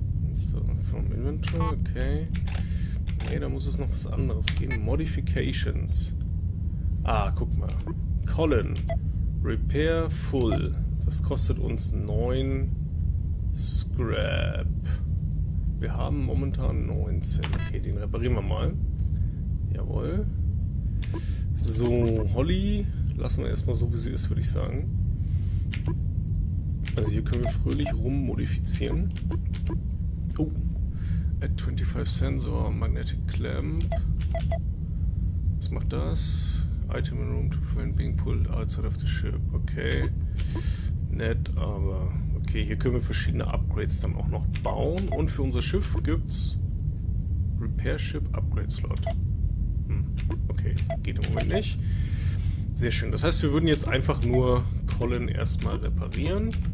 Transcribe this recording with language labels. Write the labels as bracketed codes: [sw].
[en] Install from Inventory, okay. [de] Nee, da muss es noch was anderes geben. Modifications. Ah, guck mal. Colin, [en] Repair Full. [de] Das kostet uns 9 Scrap. Wir haben momentan 19. Okay, den reparieren wir mal. Jawohl. So, Holly lassen wir erstmal so, wie sie ist, würde ich sagen. Also hier können wir fröhlich rummodifizieren. [en] Oh. At 25 Sensor, Magnetic Clamp. [de] Was macht das? [en] Item in room to prevent being pulled outside of the ship. [de] Okay. Nett, aber... Okay, hier können wir verschiedene Upgrades dann auch noch bauen. Und für unser Schiff gibt's Repair Ship Upgrade Slot. Okay, geht im Moment nicht. Sehr schön. Das heißt, wir würden jetzt einfach nur Colin erstmal reparieren.